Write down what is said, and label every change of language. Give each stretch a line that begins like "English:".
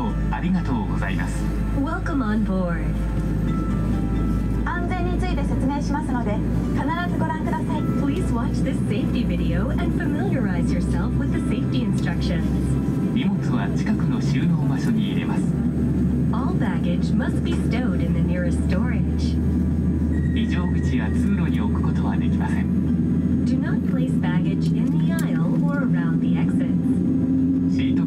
Japanese: ありがとうございます。
English: Welcome on board.
Japanese: 安全について説明しますので必ずご覧ください。
English: Please watch this safety video and familiarize yourself with the safety instructions.
Japanese: 荷物は近くの収納場所に入れます。
English: All baggage must be stowed in the nearest storage.
Japanese: 非常口や通路に置くことはできません。
English: Do not place baggage in the aisle or around the exits.